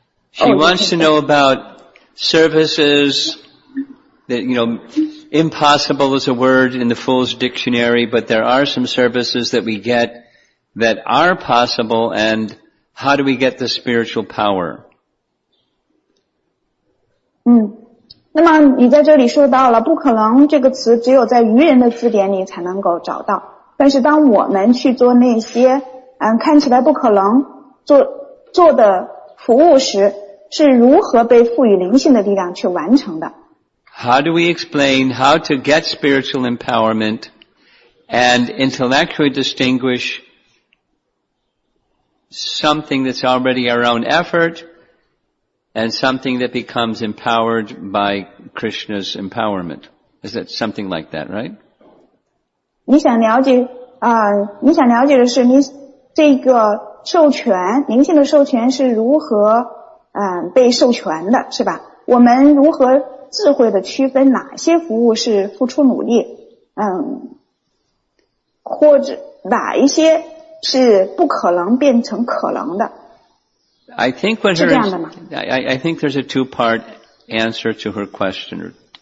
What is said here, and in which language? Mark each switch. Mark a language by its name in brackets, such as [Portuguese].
[English] She wants to know about services that, you know, impossible is a word in the Fool's Dictionary, but there are some services that we get that are possible, and how do we get the spiritual power? [Chinese] 那么你在这里说到了不可能这个词只有在愚人的字典里才能够找到，但是当我们去做那些看起来不可能做的服务时，是如何被赋予灵性的力量去完成的？ [English] How do we explain how to get spiritual empowerment and intellectually distinguish something that's already our own effort and something that becomes empowered by Krishna's empowerment? Is that something like that, right? [Chinese] 你想了解的是你这个授权，灵性的授权是如何被授权的，是吧？我们如何智慧的区分哪些服务是付出努力，或者哪一些是不可能变成可能的？ [English] I think what her, I think there's a two-part answer to her question.